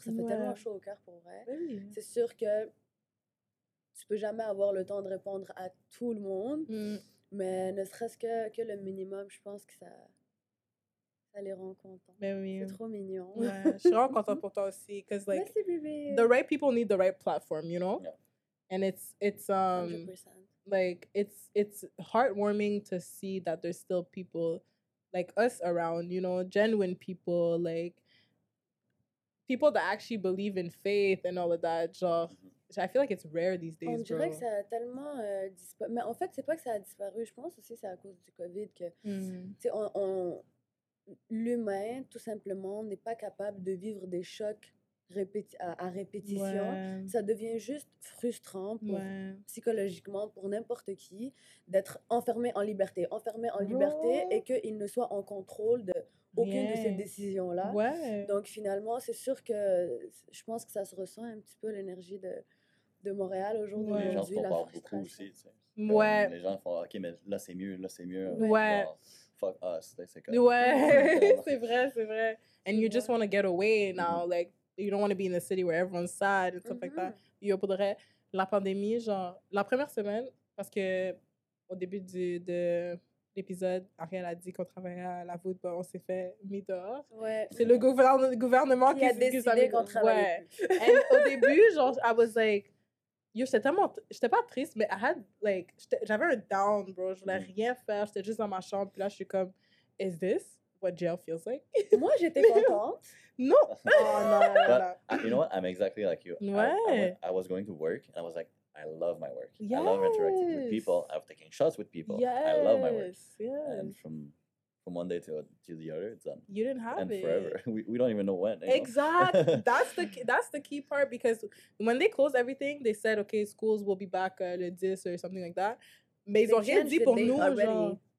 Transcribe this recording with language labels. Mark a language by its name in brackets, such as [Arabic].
[French] Ça fait tellement chaud au cœur pour vrai. Oui. C'est sûr que tu ne peux jamais avoir le temps de répondre à tout le monde. Mais ne serait-ce que le minimum, je pense que ça... les rencontres. Mais oui. C'est trop mignon. Ouais, je suis vraiment contente pour toi aussi. [English] Cause like, [French] merci, bébé. [English] The right people need the right platform, you know? Yeah. And it's 100%. Like, it's heartwarming to see that there's still people like us around, you know? Genuine people, like, people that actually believe in faith and all of that, genre, I feel like it's rare these days, [French] bro. On dirait que ça a tellement disparu. Mais en fait, c'est pas que ça a disparu. Je pense aussi que c'est à cause du COVID que, tu sais, l'humain, tout simplement, n'est pas capable de vivre des chocs à répétition. Ouais. Ça devient juste frustrant pour, psychologiquement pour n'importe qui d'être enfermé en liberté. Enfermé en liberté et qu'il ne soit en contrôle de aucune de ces décisions-là. Ouais. Donc finalement, c'est sûr que je pense que ça se ressent un petit peu l'énergie de Montréal aujourd'hui. Les gens t'en parlent beaucoup aussi. Tu sais. Ouais. Les gens font « OK, mais là, c'est mieux. Là, c'est mieux. » Ouais. [English] Fuck us. [French] Ouais. C'est vrai, c'est vrai. [English] And you just want to get away now. Mm-hmm. Like, you don't want to be in a city where everyone's sad and stuff like that. [French] Yo, pour vrai, la pandémie, genre, la première semaine, parce que au début de l'épisode, Ariel a dit qu'on travaillait à la voûte, bon, on s'est fait mis dehors. Ouais. C'est le gouvernement qui a décidé qu'on travaillait. Ouais. Et au début, genre, [English] I was like, [French] yo, j'étais tellement, j'étais pas triste, mais [English] I had, like, [French] j'avais un down, bro. Je voulais rien faire, j'étais juste dans ma chambre, puis là, je suis comme, [English] is this what jail feels like? [French] Moi, j'étais contente. [English] No. Oh, no. But, you know what? I'm exactly like you. I was going to work, and I was like, I love my work. Yes. I love interacting with people. I was taking shots with people. Yes. I love my work. Yes. And from one day to the other, it's done. You didn't have and it. And forever. We don't even know when. Exactly. That's the key part, because when they closed everything, they said, okay, schools will be back le 10 or something like that. [French] Mais ils ont rien dit pour nous, genre.